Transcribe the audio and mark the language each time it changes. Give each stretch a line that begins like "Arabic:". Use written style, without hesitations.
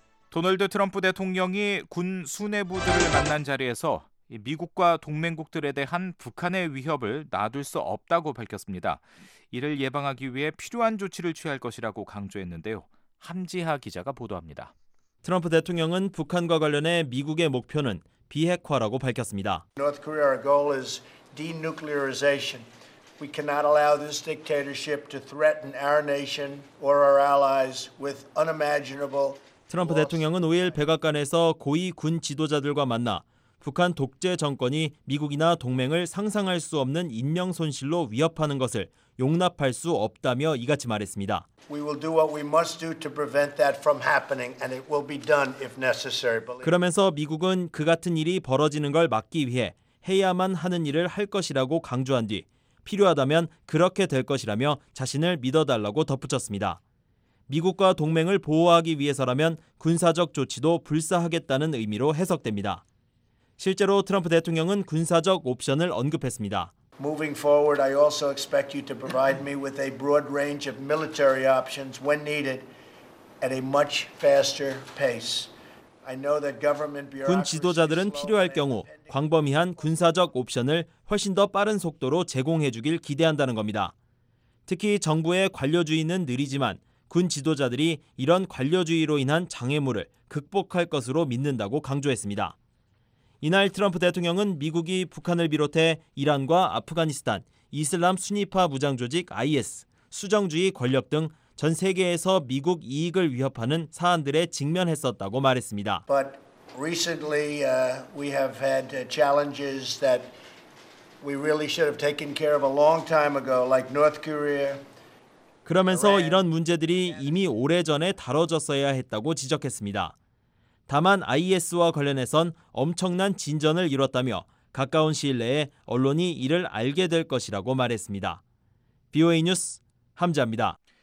Korean: 도널드 트럼프 대통령이 군 수뇌부들을 만난 자리에서 미국과 동맹국들에 대한 북한의 위협을 놔둘 수 없다고 밝혔습니다. 이를 예방하기 위해 필요한 조치를 취할 것이라고 강조했는데요. 함지하 기자가 보도합니다. 트럼프 대통령은 북한과 관련해 미국의 목표는 비핵화라고 밝혔습니다.
English: North Korea, our goal is denuclearization. We cannot allow this dictatorship to threaten our nation or our allies with unimaginable.
Korean: 트럼프 대통령은 5일 백악관에서 고위 군 지도자들과 만나 북한 독재 정권이 미국이나 동맹을 상상할 수 없는 인명 손실로 위협하는 것을 용납할 수 없다며 이같이 말했습니다.
English: We will do what we must do to prevent that from happening, and it will be done if necessary.
Korean: 그러면서 미국은 그 같은 일이 벌어지는 걸 막기 위해 해야만 하는 일을 할 것이라고 강조한 뒤 필요하다면 그렇게 될 것이라며 자신을 믿어달라고 덧붙였습니다. 미국과 동맹을 보호하기 위해서라면 군사적 조치도 불사하겠다는 의미로 해석됩니다. 실제로 트럼프 대통령은 군사적 옵션을 언급했습니다.
English: Moving forward, I also expect you to provide me with a broad range of military options when needed at a much faster pace. I know that government bureaucracy.
Korean: 군 지도자들은 필요할 경우 광범위한 군사적 옵션을 훨씬 더 빠른 속도로 제공해 주길 기대한다는 겁니다. 특히 정부의 관료주의는 느리지만 군 지도자들이 이런 관료주의로 인한 장애물을 극복할 것으로 믿는다고 강조했습니다. 이날 트럼프 대통령은 미국이 북한을 비롯해 이란과 아프가니스탄, 이슬람 순위파 무장조직 IS, 수정주의 권력 등 전 세계에서 미국 이익을 위협하는 사안들에 직면했었다고 말했습니다.
English: But recently we have had challenges that we really should have taken care of a long time ago, like North Korea.
Korean: 그러면서 이런 문제들이 이미 오래전에 다뤄졌어야 했다고 지적했습니다. 다만 IS와 관련해선 엄청난 진전을 이뤘다며 가까운 시일 내에 언론이 이를 알게 될 것이라고 말했습니다. BOA 뉴스 함재입니다.